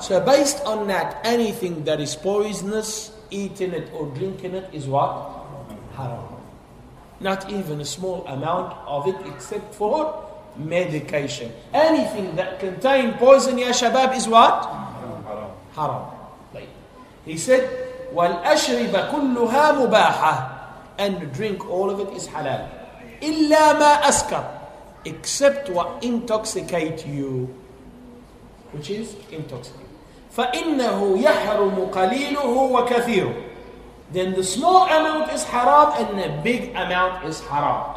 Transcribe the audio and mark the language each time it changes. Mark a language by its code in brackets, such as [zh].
[en] So based on that, anything that is poisonous, eating it or drinking it is what? Haram. Not even a small amount of it except for medication. Anything that contains poison, ya shabab, is what? Haram. Haram. He said, [ar] والأشرب كلها مباحة. [en] And drink, all of it is halal. [ar] إلا ما أسكر. [en] Except what intoxicate you. Which is intoxicating. [ar] فإنه يحرم قليله وكثيره. [en] Then the small amount is haram and the big amount is haram.